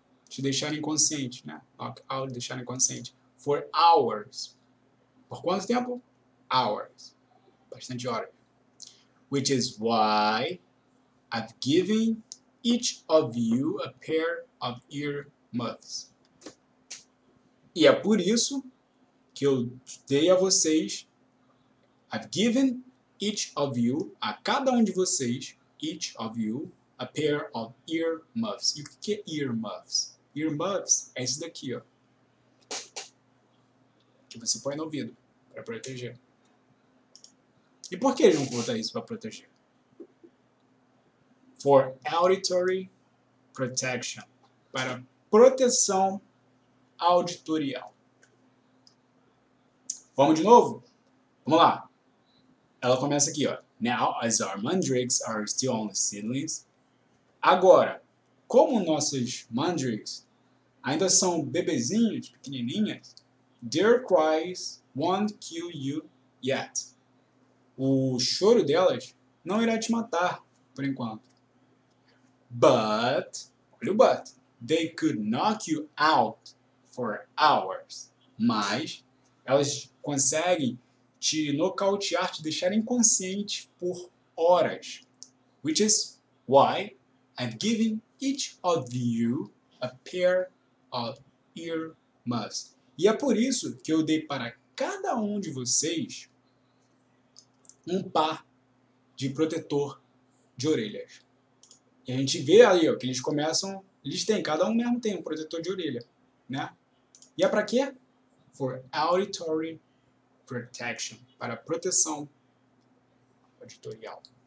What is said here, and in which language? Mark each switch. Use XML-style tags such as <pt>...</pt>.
<pt>Te deixar inconsciente, né?</pt> <en>Knock out,</en> <pt>deixar inconsciente.</pt> <en>For hours.</en> <pt>Por quanto tempo?</pt> <en>Hours.</en> <pt>Bastante horas.</pt> <en>Which is why I've given each of you a pair of earmuffs.</en> <pt>E é por isso que eu dei a vocês.</pt> <en>I've given each of you,</en> <pt>a cada um de vocês,</pt> <en>each of you, a pair of earmuffs.</en> <pt>E o que é earmuffs? Earmuffs é esse daqui, ó. Que você põe no ouvido para proteger. E por que eles vão botar isso para proteger?</pt> <en>For auditory protection.</en> <pt>Para proteção auditorial. Vamos de novo? Vamos lá. Ela começa aqui, ó.</pt> <en>Now, as our mandrakes are still only seedlings.</en> <pt>Agora, como nossas mandrakes ainda são bebezinhas, pequenininhas,</pt> <en>their cries won't kill you yet.</en> <pt>O choro delas não irá te matar, por enquanto.</pt> <en>But,</en> <pt>olha o</pt> <en>but, they could knock you out for hours.</en> <pt>Mas, elas conseguem te nocautear, te deixar inconsciente por horas.</pt> <en>Which is why I'm giving each of you a pair of earmuffs.</en> <pt>E é por isso que eu dei para cada um de vocês um par de protetor de orelhas. E a gente vê ali, ó, que eles começam, eles têm, cada um mesmo tem um protetor de orelha, né? E é para quê?</pt> <en>For auditory protection,</en> <pt>para proteção auditorial.</pt>